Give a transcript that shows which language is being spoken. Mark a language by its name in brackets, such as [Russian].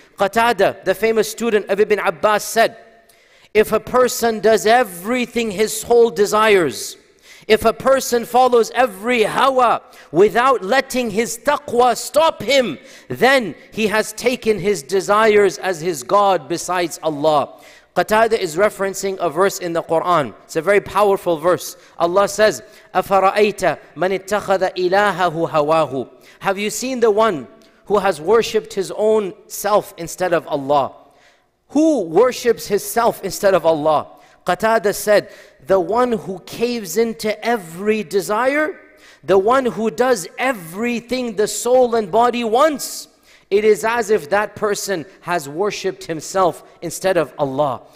[English] Qatada, the famous student of Ibn Abbas, said, if a person does everything his soul desires, if a person follows every hawa without letting his taqwa stop him, then he has taken his desires as his God besides Allah. Qatada is referencing a verse in the Quran. It's a very powerful verse. [Arabic] Allah says, أَفَرَأَيْتَ مَنِ اتَّخَذَ إِلَاهَهُ هَوَاهُ. [English] Have you seen the one who has worshipped his own self instead of Allah? Who worships his self instead of Allah? Qatada said, the one who caves into every desire, the one who does everything the soul and body wants, it is as if that person has worshipped himself instead of Allah.